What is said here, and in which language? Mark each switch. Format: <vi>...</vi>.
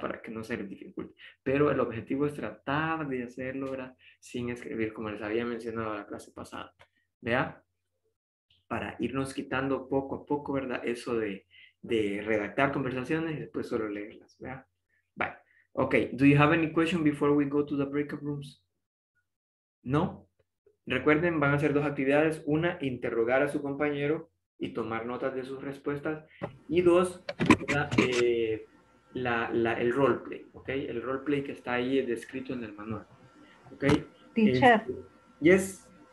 <es>Para que no se les dificulte. Pero el objetivo es tratar de hacerlo, ¿verdad? Sin escribir, como les había mencionado en la clase pasada, ¿verdad? Para irnos quitando poco a poco, ¿verdad? Eso de redactar conversaciones y después solo leerlas, ¿verdad?</es> <en>Bye. Okay, do you have any question before we go to the breakout rooms?</en> <es>No. Recuerden, van a hacer dos actividades. Una, interrogar a su compañero y tomar notas de sus respuestas. Y dos, el roleplay, ¿ok? El roleplay que está ahí descrito en el manual, ¿ok?</es> <en>Teacher. Yes.</en>